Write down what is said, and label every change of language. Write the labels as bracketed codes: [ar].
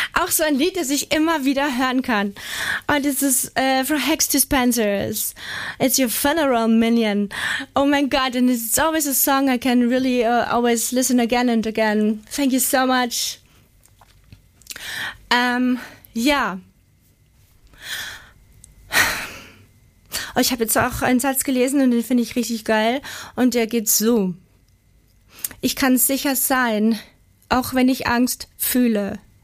[de] So ein Lied, das ich immer wieder hören kann. Und es ist From Hex to Spencers. [en] It's Your Funeral Minion. [de] Oh mein Gott, [en] and it's always a song I can really always listen again and again. Thank you so much. [de] Oh, ich habe jetzt auch einen Satz gelesen und den finde ich richtig geil. Und der geht so. Ich kann sicher sein, auch wenn ich Angst fühle.